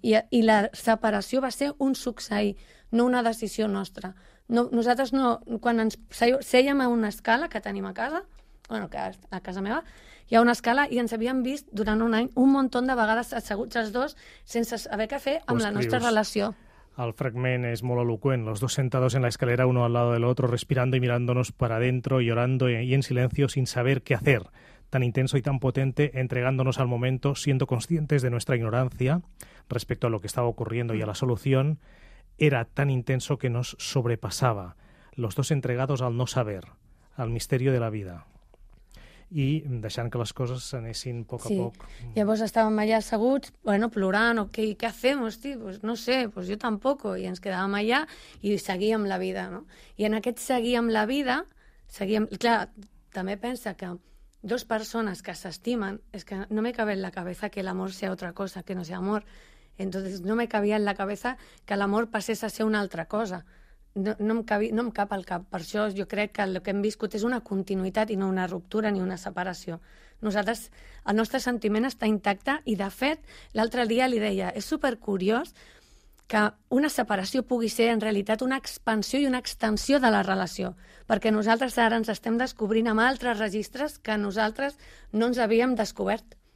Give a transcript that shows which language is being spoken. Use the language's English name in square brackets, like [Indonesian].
[Catalan] I la separació va ser un succeir, no una decisió nostra. No, nosaltres no... Quan ens sèiem a una escala que tenim a casa, bueno, que a casa meva, hi ha una escala i ens havíem vist durant un any un munt de vegades asseguts els dos sense haver que fer amb la nostra relació. El fragment és molt eloqüent. [Spanish] Los dos sentados en la escalera, uno al lado del otro, respirando y mirándonos para adentro, llorando y en silencio, sin saber qué hacer. Tan intenso y tan potente, entregándonos al momento, siendo conscientes de nuestra ignorancia respecto a lo que estaba ocurriendo y a la solución, era tan intenso que nos sobrepasaba. Los dos entregados al no saber, al misterio de la vida. [Catalan] I deixant que les coses s'anessin a poc sí. a poc. Llavors estàvem allà asseguts, bueno, plorant, o què fem, hosti? [Spanish] Pues no sé, pues yo tampoco. [Catalan] I ens quedàvem allà i seguíem la vida, no? I en aquest seguíem la vida, clar, també pensa que dos persones que s'estimen, és que no [Spanish] me cabe en la cabeza que l'amor sea otra cosa que no sea amor. Entonces no me cabía en la cabeza que [Catalan] l'amor passés a ser una altra cosa. No em cap al cap. Per això jo crec que el que hem viscut és una continuïtat i no una ruptura ni una separació. Nosaltres, el nostre sentiment està intacte i, de fet, l'altre dia li deia, és supercuriós que una separació pugui ser en realitat una expansió i una extensió de la relació, perquè nosaltres ara ens estem descobrint amb altres registres que nosaltres no ens havíem descobert.